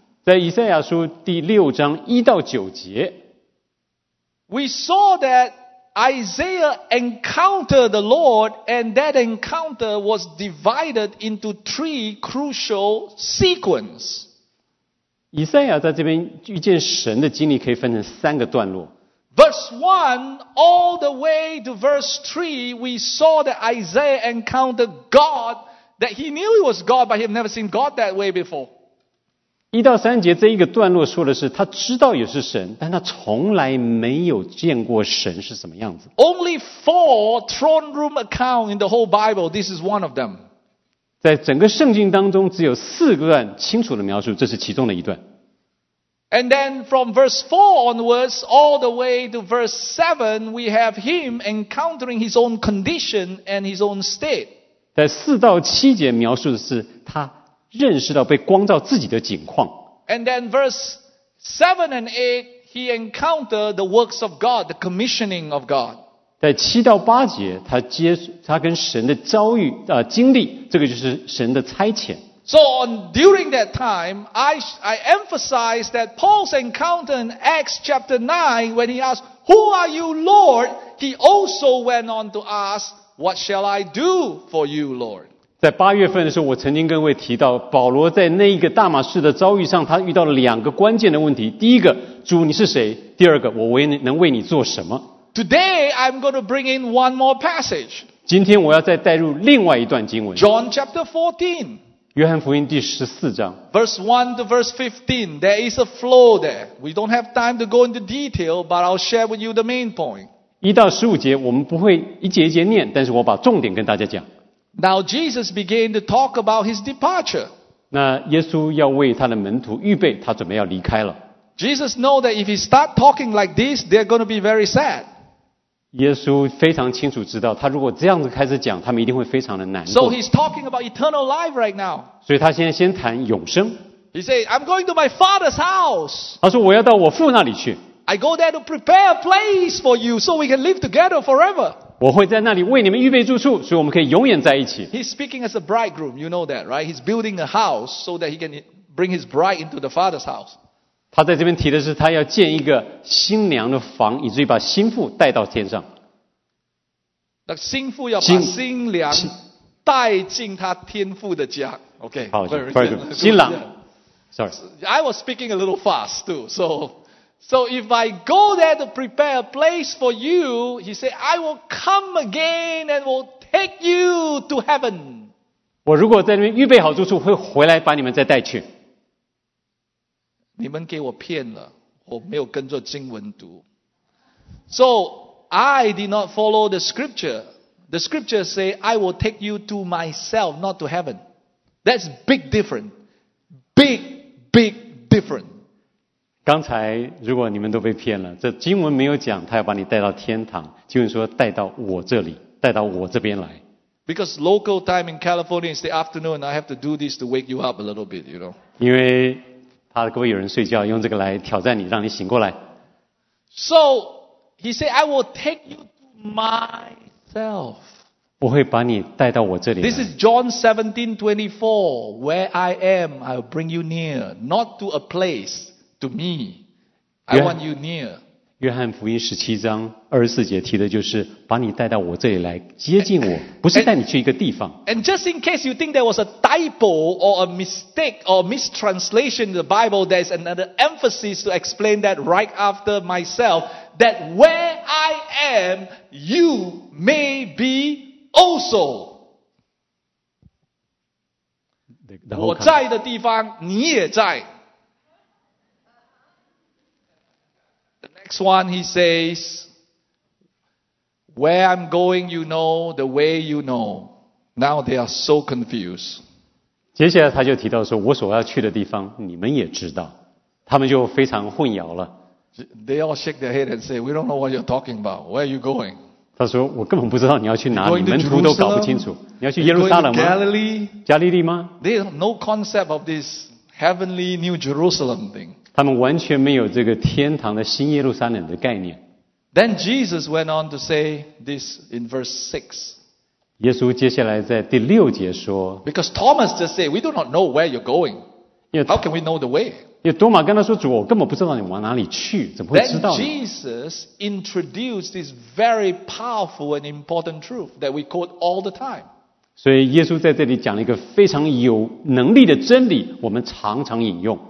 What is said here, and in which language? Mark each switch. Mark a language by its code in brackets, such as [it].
[zh] 在以赛亚书第六章一到九节。 [en] We saw that. Isaiah encountered the Lord, and that encounter was divided into three crucial sequence. [zh] 以赛亚在这边遇见神的经历可以分成三个段落。 [en] Verse 1, all the way to verse 3, we saw that Isaiah encountered God, that he knew he was God, but he had never seen God that way before. [zh] 一到三节这一个段落说的是他知道也是神，但他从来没有见过神是什么样子。 [en] Only four throne room accounts in the whole Bible, this is one of them. [zh] 在整个圣经当中只有四个段清楚的描述，这是其中的一段。 [en] And then from verse 4 onwards, all the way to verse 7, we have him encountering his own condition and his own state. [zh] 在四到七节描述的是他认识到被光照自己的景况。 [en] And then verse 7 and 8, he encountered the works of God, the commissioning of God. [zh] 在七到八节，他跟神的遭遇经历，这个就是神的差遣。 [en] So during that time, I emphasize that Paul's encounter in Acts chapter 9, when he asked, "Who are you, Lord?" he also went on to ask, "What shall I do for you, Lord?" [zh] 在八月份的时候，我曾经跟各位提到，保罗在那个大马士的遭遇上，他遇到了两个关键的问题：第一个，主你是谁？第二个，我能为你做什么 [en] ？Today I'm going to bring in one more passage. [zh] 今天我要再带入另外一段经文。 [en] John chapter 14. [zh] 约翰福音第十四章。 [en] Verse 1 to verse 15. There is a flow there. We don't have time to go into detail, but I'll share with you the main point. [zh] 一到十五节，我们不会一节一节念，但是我把重点跟大家讲。 [en] Now Jesus began to talk about his departure. [zh] 那耶稣要为他的门徒预备，他准备要离开了。 [en] Jesus know that if he start talking like this, they're going to be very sad. [zh] 耶稣非常清楚知道，他如果这样子开始讲，他们一定会非常的难过。 [en] So he's talking about eternal life right now. [zh] 所以他现在先谈永生。 [en] He said, "I'm going to my Father's house." [zh] 他说我要到我父那里去。 [en] I go there to prepare a place for you, so we can live together forever. [zh] 我会在那里为你们预备住处，所以我们可以永远在一起。 [en] He's speaking as a bridegroom, you know that, right? He's building a house so that he can bring his bride into the Father's house. [zh] 他在这边提的是他要建一个新娘的房，以至于把新妇带到天上。那新妇要把新娘带进他天父的家。 [en] OK, [zh] 好 ， [en] bridegroom, [zh] 新郎。 [en] Sorry, I was speaking a little fast too, so. So if I go there to prepare a place for you, he said, I will come again and will take you to heaven. [zh] 我如果在那边预备好住处，会回来把你们再带去。你们给我骗了，我没有跟着经文读。 [en] So I did not follow the scripture. The scripture say, I will take you to myself, not to heaven. That's big different. Big, big different. [zh] 刚才如果你们都被骗了，这经文没有讲他要把你带到天堂，经文说带到我这里，带到我这边来。 [en] Because local time in California is the afternoon, I have to do this to wake you up a little bit, you know. [zh] 因为怕各位有人睡觉，用这个来挑战你，让你醒过来。 [en] So he said, I will take you to myself. [zh] 我会把你带到我这里来。 [en] This is John 17:24. Where I am, I will bring you near, not to a place. To me, I want you near. [zh] 约翰福音十七章二十四节提的就是把你带到我这里来接近我，不是带你去一个地方。 [en] And just in case you think there was a typo or a mistake or mistranslation in the Bible, there's another emphasis to explain that right after myself, that where I am, you may be also. [zh] 我在的地方你也在。 [en] The next one he says, where I'm going you know, the way you know. Now they are so confused. [zh] 接下来他就提到说我所要去的地方你们也知道。他们就非常混淆了。 [en] They all shake their head and say, we don't know what you're talking about. Where are you going? [zh] 他说我根本不知道你要去哪里，门徒都搞不清楚，你要去耶路撒冷吗？加利利吗？ [en] They have no concept of this heavenly New Jerusalem thing. [zh] 他们完全没有这个天堂的新耶路撒冷的概念。 [en] Then Jesus went on to say this in verse 6. [zh] 耶稣接下来在第六节说， [en] Because Thomas just said, we do not know where you're going. How can we know the way? [zh] 因为多马跟他说主我根本不知道你往哪里去怎么会知道呢 [en] Jesus introduced this very powerful and important truth that we quote all the time. [zh] 所以耶稣在这里讲了一个非常有能力的真理我们常常引用。